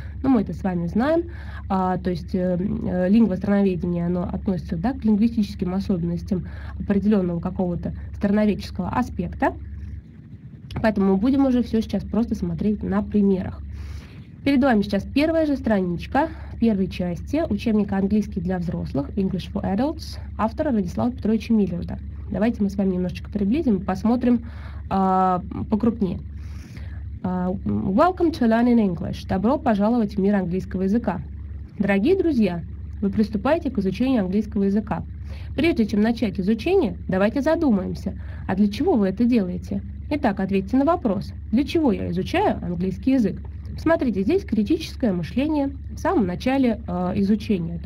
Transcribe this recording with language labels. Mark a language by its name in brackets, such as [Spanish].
[Russian] Ну, мы это с вами знаем. Лингвостроноведение, оно относится, да, к лингвистическим особенностям определенного какого-то страноведческого аспекта. Поэтому мы будем уже все сейчас просто смотреть на примерах. Перед вами сейчас первая же страничка в первой части учебника «Английский для взрослых» English for Adults автора Владислава Петровича Миллерда. Давайте мы с вами немножечко приблизим, посмотрим покрупнее. [English] Welcome to Learning English. [Russian] Добро пожаловать в мир английского языка. Дорогие друзья, вы приступаете к изучению английского языка. Прежде чем начать изучение, давайте задумаемся, а для чего вы это делаете? Итак, ответьте на вопрос, для чего я изучаю английский язык? Смотрите, здесь критическое мышление в самом начале изучения.